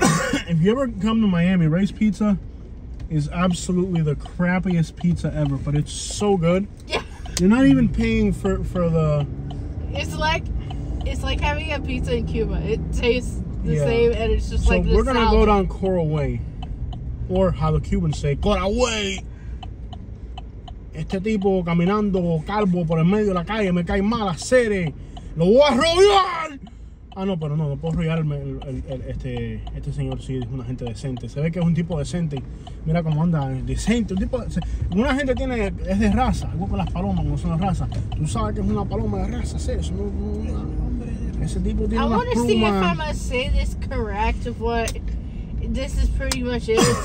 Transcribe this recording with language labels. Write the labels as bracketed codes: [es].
[en] If you ever come to Miami, Rice Pizza is absolutely the crappiest pizza ever, but it's so good. Yeah. You're not even paying for the... It's like having a pizza in Cuba. It tastes the same, and it's just so like the we're going to go down Coral Way, or how the Cubans say, Coral Way. [es] Este tipo caminando calvo por el medio de la calle me cae mal a serie. Lo voy a rodear. Ah, no, pero no puedo rodearme este señor si es una gente decente. Se ve que es un tipo decente. Mira cómo anda, decente. Un tipo, una gente tiene, es de raza. Igual con las palomas, como son de raza. Tú sabes que es una paloma de raza, ¿sabes? Es un hombre. Ese tipo tiene una pluma. [en] I want to see if I'm going to say this correct of what this is pretty much is.